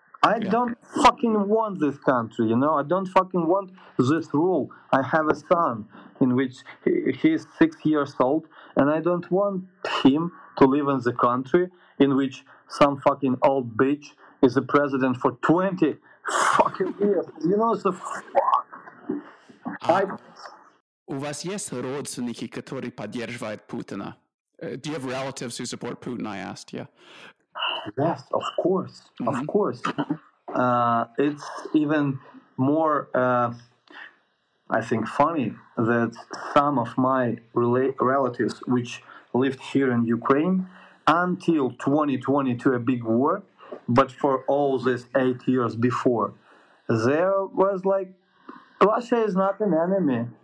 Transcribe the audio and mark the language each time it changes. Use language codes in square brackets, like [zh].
[en] I don't fucking want this country, you know? I don't fucking want this rule. I have a son in which he's 6 years old, and I don't want him to live in the country in which some fucking old bitch is the president for 20 fucking years. You know, so fuck. [ru] У вас есть родственники, которые поддерживают Путина? [en] Do you have relatives who support Putin, I asked, yeah. Yes, of course, mm-hmm. of course. It's even more, I think, funny that some of my relatives which lived here in Ukraine until 2022, a big war, but for all these 8 years before, there was like, Russia is not an enemy.